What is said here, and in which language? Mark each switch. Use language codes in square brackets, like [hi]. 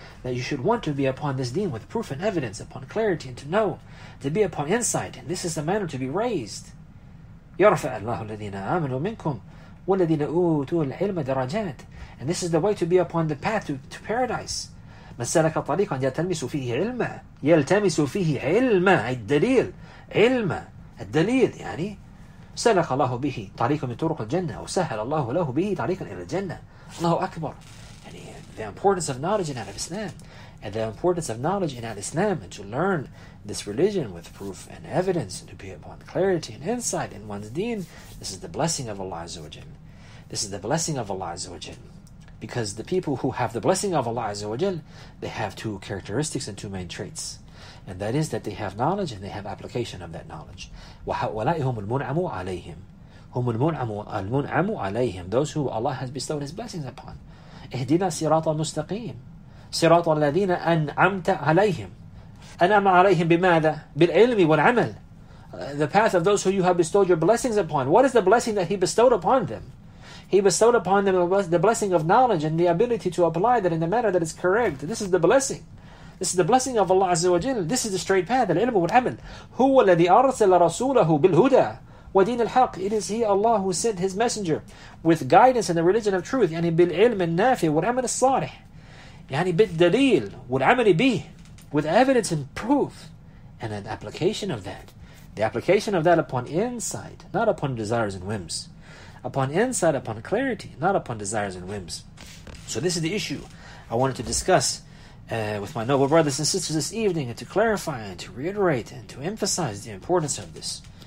[en] That you should want to be upon this deen with proof and evidence, upon clarity, and to know, to be upon insight. And this is the manner to be raised. [ar] يَرْفَعَ اللَّهُ الَّذِينَ آمَنُوا مِنْكُمْ وَالَّذِينَ أُوتُوا الْعِلْمَ دَرَجَاتٍ. [en] And this is the way to be upon the path to paradise. [ar] مَنْ سَلَكَ طَرِيقًا يَلْتَمِسُ فِيهِ عِلْمًا يَلْتَمِسُ فِيهِ عِلْمًا أي الدليل. عِلْمًا الدليل يعني سلك الله به طريقا من طرق الجنة وسهل الله له به طريقا إلى الجنة. الله أكبر. [en] يعني the importance of knowledge in al-Islam, and the importance of knowledge in al-Islam, and to learn this religion with proof and evidence, and to be upon clarity and insight in one's deen, this is the blessing of Allah Azza wa Jal. This is the blessing of Allah Azza wa Jal. Because the people who have the blessing of Allah Azza wa Jal, they have two characteristics and two main traits. And that is that they have knowledge and they have application of that knowledge. [ar] وَلَائِهُمُ الْمُنْعَمُ عَلَيْهِمْ هُمُ الْمُنْعَمُ عَلَيْهِمْ. [en] Those who Allah has bestowed His blessings upon. [ar] اِهْدِنَا صِرَاطَ الْمُسْتَقِيمِ صِرَاطَ الَّذِينَ أَنْعَمْتَ عَلَيْهِمْ أَنْعَمَ عَلَيْهِمْ بِمَاذَا بِالْعِلْمِ وَالْعَمَلِ. [en] The path of those who you have bestowed your blessings upon. What is the blessing that He bestowed upon them? He bestowed upon them the blessing of knowledge and the ability to apply that in the manner that is correct. This is the blessing. This is the blessing of Allah Azza wa Jal. This is the straight path, al-ilm wal-amal. [ar] هو الذي أرسل رسوله بالهدى ودين الحق. [en] It is He, Allah, who sent His messenger with guidance and the religion of truth. [ar] يعني بالعلم النافع والعمل الصالح. يعني بالدليل والعمل به. [en] With evidence and proof. And an application of that. The application of that upon insight, not upon desires and whims. Upon insight, upon clarity, not upon desires and whims. So this is the issue I wanted to discuss with my noble brothers and sisters this evening, and to clarify and to reiterate and to emphasize the importance of this.